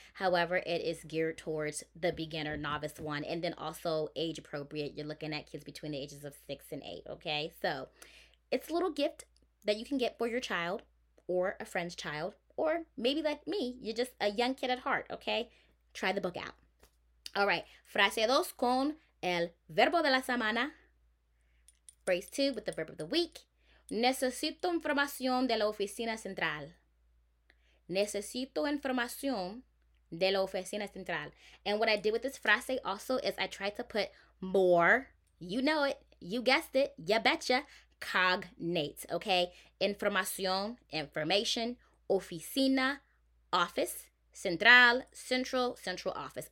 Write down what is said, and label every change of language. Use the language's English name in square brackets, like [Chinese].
[English] However, it is geared towards the beginner novice one. And then also age appropriate. You're looking at kids between the ages of 6 and 8, okay? So it's a little gift that you can get for your child or a friend's child. Or maybe like me, you're just a young kid at heart, okay? Try the book out. All right, [Spanish] frase dos con el verbo de la semana. [English] Phrase two with the verb of the week. [Spanish] Necesito información de la oficina central. Necesito información de la oficina central. [English] And what I did with this frase also is I tried to put more, you know it, you guessed it, ya betcha, cognate, okay? [Spanish] Información, [English] information, [Spanish] oficina, [English] office, central, central, central office.